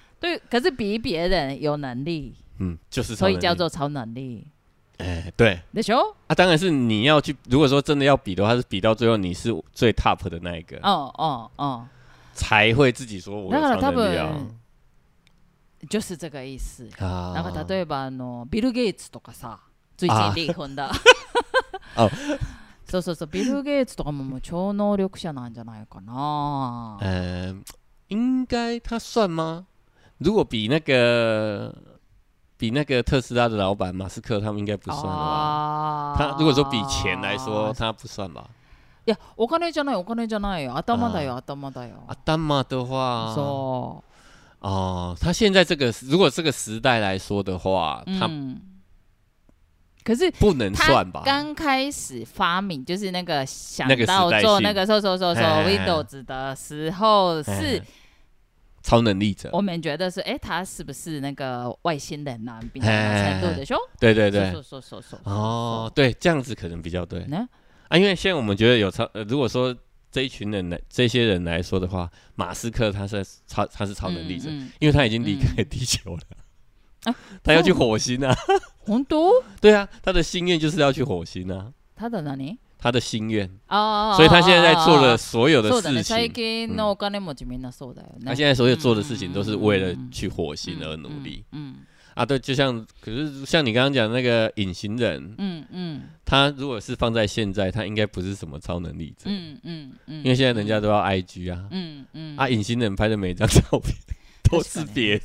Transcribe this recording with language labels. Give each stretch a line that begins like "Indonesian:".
Chinese: 对，可是比别人有能力，就是超能力，所以叫做超能力。对，对不对？啊，当然是你要去，如果说真的要比的话，是比到最后你是最 top 的那一个，哦，才会自己说我有超能力啊，那个，就是这个意思啊。那个
Japanese: 例えばあのビル・ゲイツとかさ、
Chinese: 最近離婚的，哦。
Japanese: そうそうそう、ビル・ゲイツとか もう超能力者なんじゃないかな。
Chinese: 应该他算吗？如果比那个特斯拉的老板马斯克，他们应该不算吧？他如果说比钱来说，他不算吧？
Japanese: いや、お金じゃない、お金じゃないよ。頭だよ、頭だよ。
Chinese: 頭的话，
Japanese: そう。
Chinese: 哦，他现在这个如果这个时代来说的话，他。可是不能算吧，他刚开始发明就是那个想到做那个说 Windows 的时候是超能力者，我们觉得是他是不是那个外星人啊，比较程度的说，对对对，说哦，对，这样子可能比较对，啊，因为现在我们觉得有超，如果说这一群人来，这些人来说的话，马斯克他是超能力者，因为他已经离开地球了，啊，他要去火星啊，红都，对啊，他的心愿就是要去火星啊，他的哪里，他的心愿，哦，所以他现在在做的所有的事情，
Japanese: 最近のお金持ちみんなそうだよね，
Chinese: 他现在所有做的事情都是为了去火星而努力，啊，对，就像，可是像你刚刚讲那个隐形人，他如果是放在现在，他应该不是什么超能力者，因为现在人家都要 IG 啊，啊，隐形人拍的每一张照片都是别，